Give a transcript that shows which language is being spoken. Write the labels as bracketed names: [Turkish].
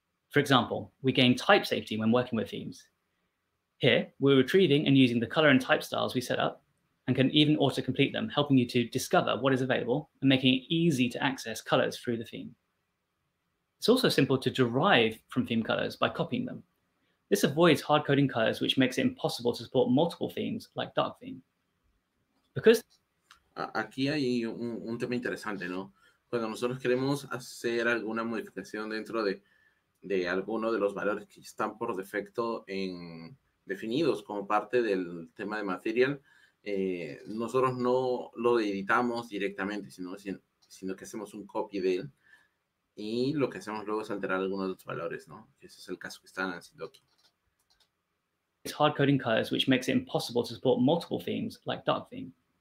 [English] For example, we gain type safety when working with themes. Here, we're retrieving and using the color and type styles we set up and can even auto-complete them, helping you to discover what is available and making it easy to access colors through the theme. It's also simple to derive from theme colors by copying them. This avoids hard coding colors, which makes it impossible to support multiple themes like dark theme. Because [Spanish] aquí hay un tema interesante, ¿no? Cuando nosotros queremos hacer alguna modificación dentro de alguno de los valores que están por defecto en definidos como parte del tema de material, nosotros no lo editamos directamente, sino que hacemos un copy de él y lo que hacemos luego es alterar algunos de los valores, ¿no? Ese es el caso que están haciendo aquí. [English] It's hard coding colors, which makes it impossible to support multiple themes like dark theme.